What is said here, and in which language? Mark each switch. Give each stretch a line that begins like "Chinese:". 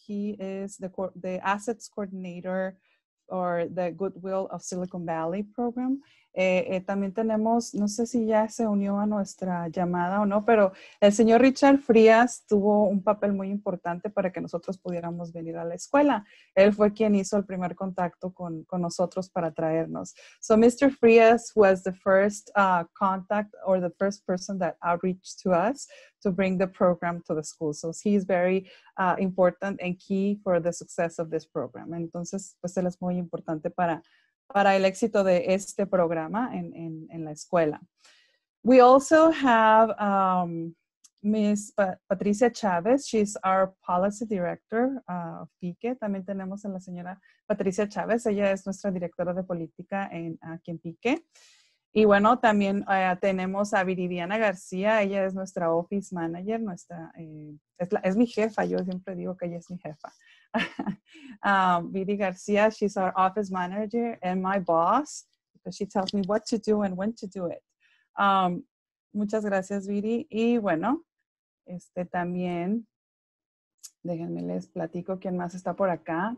English: He is the assets coordinator or the Goodwill of Silicon Valley program.
Spanish: También tenemos, no sé si ya se unió a nuestra llamada o no, pero el señor Richard Frias tuvo un papel muy importante para que nosotros pudiéramos venir a la escuela. Él fue quien hizo el primer contacto con nosotros para traernos.
English: So Mr. Frias was the first contact or the first person that outreached to us to bring the program to the school. So he is very important and key for the success of this program.
Spanish: Entonces, pues él es muy importante para el éxito de este programa en la escuela.
English: We also have Ms. Patricia Chavez. She's our policy director of PICE.
Spanish: También tenemos a la señora Patricia Chavez. Ella es nuestra directora de política aquí en PICE. Y bueno, también tenemos a Viridiana García. Ella es nuestra office manager. Es mi jefa. Yo siempre digo que ella es mi jefa.
English: Viri García, she's our office manager and my boss, because she tells me what to do and when to do it.
Spanish: Muchas gracias, Viri. Y bueno, también, déjenme les platico quién más está por acá.